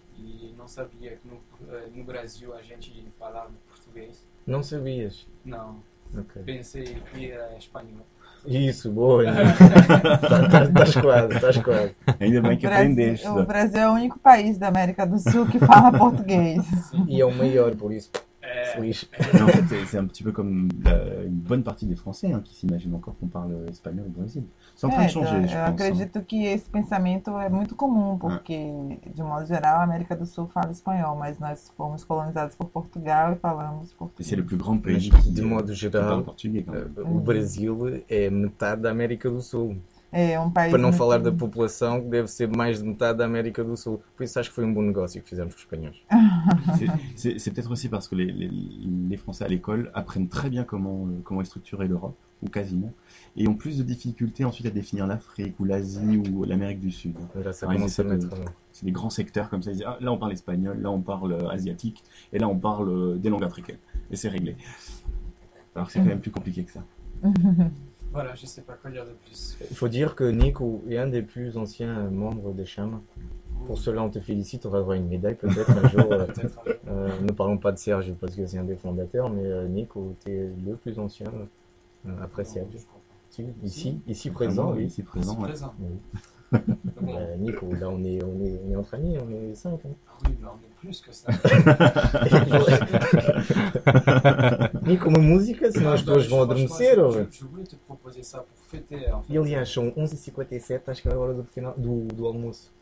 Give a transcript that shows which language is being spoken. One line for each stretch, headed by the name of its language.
Portuguese: E não sabia que no Brasil a gente falava português. Não sabias? Não. Okay. Pensei que era espanhol. Isso, boa! Estás quase. Ainda bem que aprendeste. O Brasil é o único país da América do Sul que fala português. Sim. E é o maior, por isso. É,
French: Non, en fait, c'est un petit peu comme une bonne partie des Français hein, qui s'imaginent encore qu'on parle espagnol au Brésil. C'est en train de changer, je pense.
Portuguese: Acredito que esse pensamento é muito comum, porque, de modo geral, a América do Sul fala espanhol, mas nós fomos colonizados por Portugal e falamos português.
French: E c'est le plus grand pays
Portuguese: de modo geral, o Brasil é metade da América do Sul. É um país para não falar da população, que deve ser mais de metade da América do Sul. Por isso acho que foi um bom negócio que fizemos com os espanhóis.
French: C'est peut-être aussi parce que les Français à l'école apprennent très bien comment est structurée l'Europe, ou quasiment, et ont plus de difficultés ensuite à définir l'Afrique, ou l'Asie, ou l'Amérique du Sud. Là, ça commence à mettre... C'est des grands secteurs comme ça. Ils disent, là, on parle espagnol, là, on parle asiatique, et là, on parle des langues africaines. Et c'est réglé. Alors que c'est quand même plus compliqué que ça. Voilà, je ne sais pas quoi dire de plus. Il faut dire que Nick est un des plus anciens membres des CHAM. Pour cela, on te félicite, on va avoir une médaille peut-être un jour. Peut-être. Ne parlons pas de Serge parce que c'est un des fondateurs, mais Nick, tu es le plus ancien après Serge. Ici présent, oui. Ici présent. Ici présent. Oui. Nick, là on est entre amis, on est cinq. Hein. Oui, mais on est plus que ça. Nick, comme musique, sinon je dois vous adresser. Je voulais te proposer ça pour fêter. Il y a 11h57,
Portuguese: acho que é a hora do almoço.